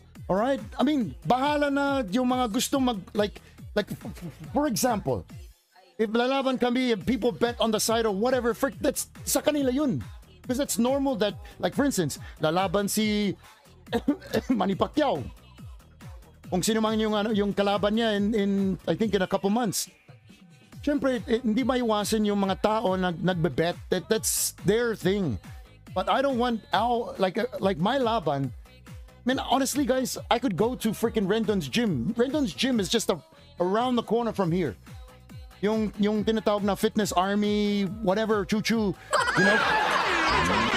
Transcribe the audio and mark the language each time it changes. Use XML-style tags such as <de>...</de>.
<en>Alright? I mean,</en> <tl>bahala na yung mga gusto mag,</tl> <en>like, for example, if</en> <tl>lalaban kami,</tl> <en>if people bet on the side or whatever, frick, that's</en> <tl>sa kanila yun.</tl> <en>Because that's normal that, like, for instance,</en> <tl>lalaban si</tl> <en>Manny Pacquiao.</en> <tl>Kung sino man yung, ano, yung kalaban niya</tl> <en>in, I think, in a couple months.</en> <tl>Siyempre, hindi maiwasan yung mga tao na nagbe-bet.</tl> <en>That's their thing. But I don't want Al, like my laban. I mean, honestly, guys, I could go to freaking Rendon's gym. Rendon's gym is just around the corner from here.</en> <tl>Yung tinatawag na</tl> <en>fitness army, whatever, choo-choo, you know?</en>